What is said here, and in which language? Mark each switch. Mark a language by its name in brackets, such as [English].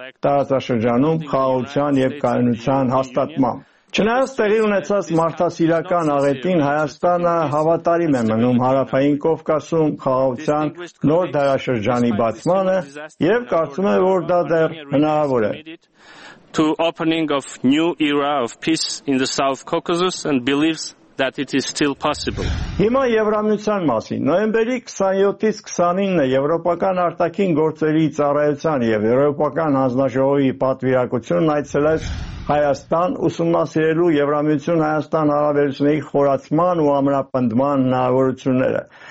[Armenian] տարածաշրջանում խաղաղության և կայունության հաստատմամբ։ Չնայած տեղի ունեցած մարդասիրական աղետին, Հայաստանը հավատարիմ է մնում Հարավային Կովկասում խաղաղության նոր դարաշրջանի բացմանը և կարծում է, որ դա դեռ հնարավոր է։ [English] To opening of new era of peace in the South Caucasus and believes that it is still possible. [Armenian] Հիմա Եվրամիության մասին։ Նոյեմբերի 27-ից 29-ը Եվրոպական արտաքին գործերի ծառայության և Եվրոպական հանձնաժողովի պատվիրակությունն այցելեց Հայաստան ուսումնասիրելու Եվրամիության Հայաստան հարաբերությունների խորացման ու ամրապնդման հնարավորությունները։